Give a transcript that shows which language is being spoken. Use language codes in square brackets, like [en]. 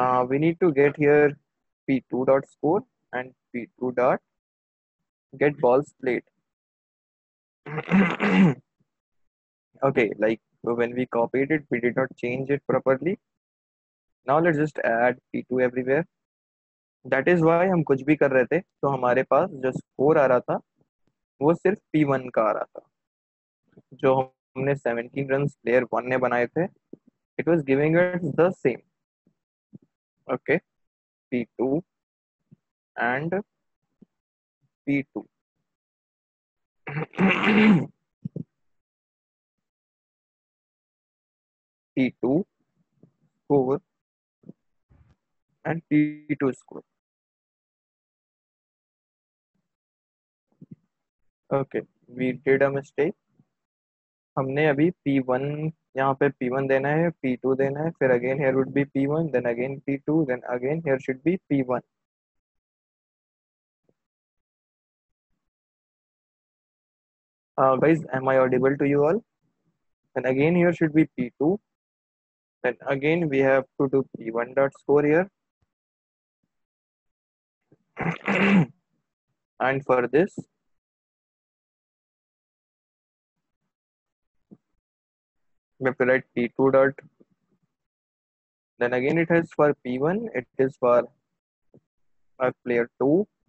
[en] We need to get here P2 dot score and P2 dot get balls played. Okay, like when we copied it, we did not change it properly. Now let's just add P2 everywhere. That is why [hi] हम कुछ भी कर रहे थे तो हमारे पास जो score आ रहा था वो सिर्फ P1 का आ रहा था. जो हमने 17 runs player 1 ने बनाए थे, [en] it was giving us the same. Okay. P2 and P2. P2 score and P2 score. Okay, we did a mistake. [hi] हमने अभी P1 यहाँ पे P1 देना है, [en] P2 देना है, फिर again here would be P1, then again P2, then again here should be P1. Guys am I audible to you all? Then again here should be P2, then again we have to do P1 dot score here. And for this, we have to write P2 dot. Then again, it is for P1, it is for our player 2.